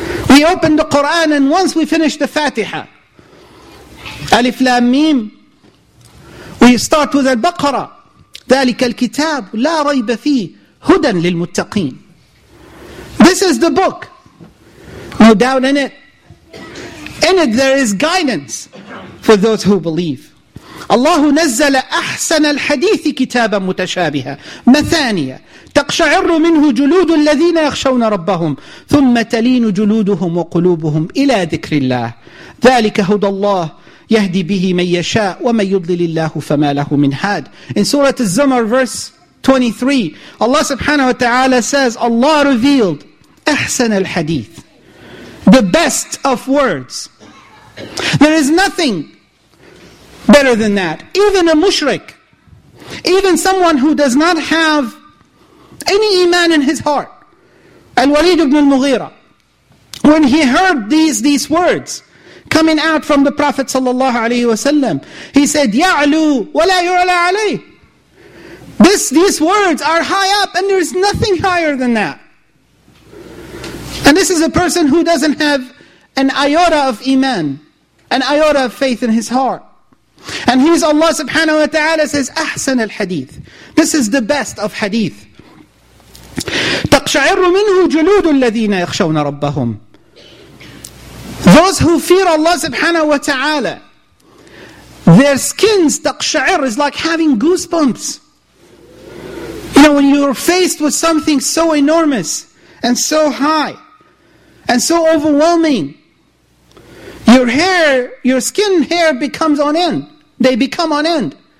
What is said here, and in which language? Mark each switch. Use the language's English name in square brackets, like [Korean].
[English] We open the Quran, and once we finish the Fatiha, Alif Lam Mim, we start with Al-Baqarah, [Arabic] ذَلِكَ الْكِتَابُ لَا رَيْبَ فِيهِ هُدًى لِلْمُتَّقِينَ. [English] This is the book, no doubt in it. In it there is guidance for those who believe. [Arabic] الله نزل أحسن الحديث كتابا متشابها مثانية تقشعر منه جلود الذين يخشون ربهم ثم تلين جلودهم وقلوبهم إلى ذكر الله ذلك هدى الله يهدي به من يشاء ومن يضلل الله فما له من هاد. [English] In Surah Az-Zumar verse 23, Allah subhanahu wa ta'ala says, Allah revealed [Arabic] أحسن الحديث, [English] the best of words. There is nothing better than that. Even a mushrik, even someone who does not have any iman in his heart. Al-Walid ibn al-Mughira, when he heard these words coming out from the Prophet sallallahu alayhi wa sallam, he said, [Arabic] Ya'lu wa la yu'la alayh. [English] These words are high up and there is nothing higher than that. And this is a person who doesn't have an iota of iman, an iota of faith in his heart. And he is Allah subhanahu wa ta'ala says, [Arabic] أحسن الحديث. [English] This is the best of hadith. [Arabic] تقشعر منه جلود الذين يخشون ربهم. [English] Those who fear Allah subhanahu wa ta'ala, their skins, تقشعر, is like having goosebumps. You know, when you are faced with something so enormous and so high and so overwhelming, your hair, your skin hair becomes on end. They become on end.